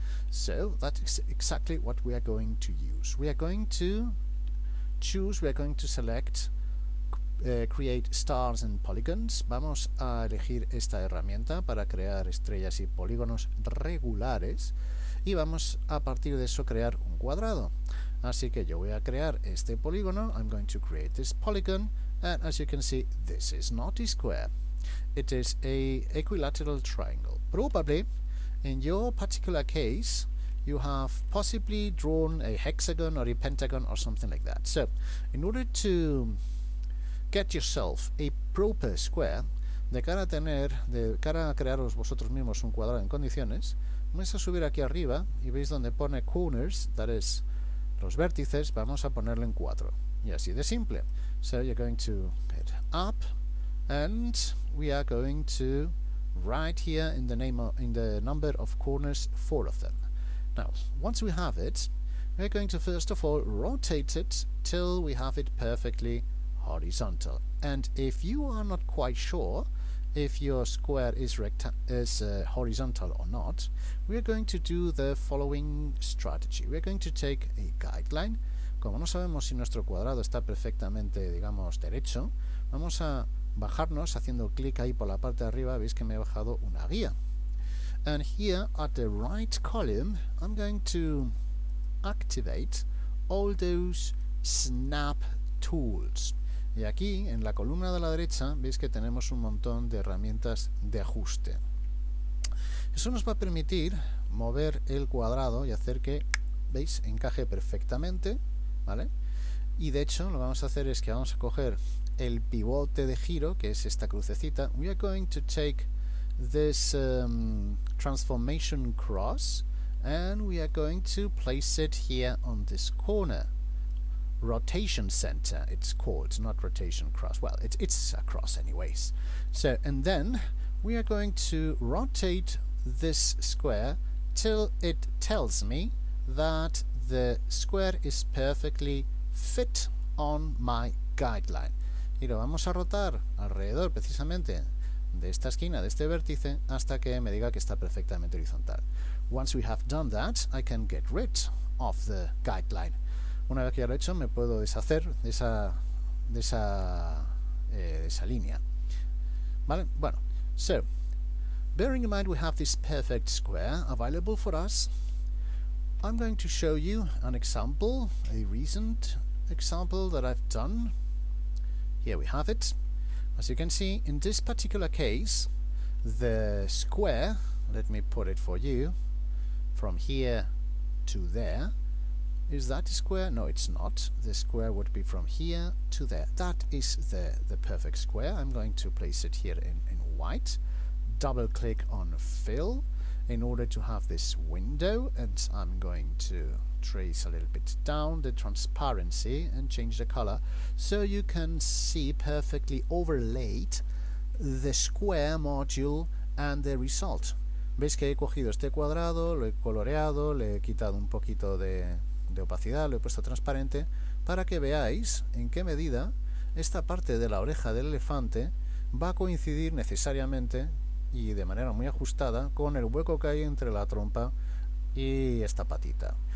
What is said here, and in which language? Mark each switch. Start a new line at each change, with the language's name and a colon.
English: So, that is exactly what we are going to use. We are going to choose, we are going to select create stars and polygons.
Spanish: Vamos a elegir esta herramienta para crear estrellas y polígonos regulares y vamos a partir de eso crear un cuadrado. Así que yo voy a crear este polígono.
English: I'm going to create this polygon, and as you can see, this is not a square. It is a equilateral triangle. Probably, in your particular case, you have possibly drawn a hexagon or a pentagon or something like that. So, in order to get yourself a proper square, de cara a crearos vosotros mismos un cuadrado en condiciones, vamos a subir aquí arriba y veis donde pone corners, that is, los vértices, vamos a ponerlo en 4. Y así de simple. So you're going to get up, and we are going to write here in the name of, in the number of corners, 4 of them. Now, once we have it, we're going to first of all rotate it till we have it perfectly horizontal. And if you are not quite sure if your square is horizontal or not, we are going to do the following strategy. We are going to take a guideline.
Spanish: Como no sabemos si nuestro cuadrado está perfectamente, digamos, derecho, vamos a bajarnos haciendo clic ahí por la parte de arriba. Veis que me he bajado una guía.
English: And here at the right column, I'm going to activate all those snap tools.
Spanish: Y aquí, en la columna de la derecha, veis que tenemos un montón de herramientas de ajuste. Eso nos va a permitir mover el cuadrado y hacer que, veis, encaje perfectamente, ¿vale? Y de hecho, lo que vamos a hacer es que vamos a coger el pivote de giro, que es esta crucecita.
English: We are going to take this transformation cross and we are going to place it here on this corner. Rotation center, it's called, not rotation cross. Well, it's a cross anyways. So, and then we are going to rotate this square till it tells me that the square is perfectly fit on my guideline.
Spanish: Y lo vamos a rotar alrededor precisamente de esta esquina, de este vértice, hasta que me diga que está perfectamente horizontal.
English: Once we have done that, I can get rid of the guideline.
Spanish: Una vez que ya lo he hecho, me puedo deshacer de esa línea. ¿Vale? Bueno,
English: so, bearing in mind we have this perfect square available for us, I'm going to show you an example, a recent example that I've done. Here we have it. As you can see, in this particular case, the square, let me put it for you, from here to there, is that a square? No, it's not. The square would be from here to there. That is the perfect square. I'm going to place it here in white. Double click on fill in order to have this window, and I'm going to trace a little bit down the transparency and change the color so you can see perfectly overlaid the square module and the result.
Spanish: Veis que he cogido este cuadrado, lo he coloreado, le he quitado un poquito de opacidad, lo he puesto transparente para que veáis en qué medida esta parte de la oreja del elefante va a coincidir necesariamente y de manera muy ajustada con el hueco que hay entre la trompa y esta patita.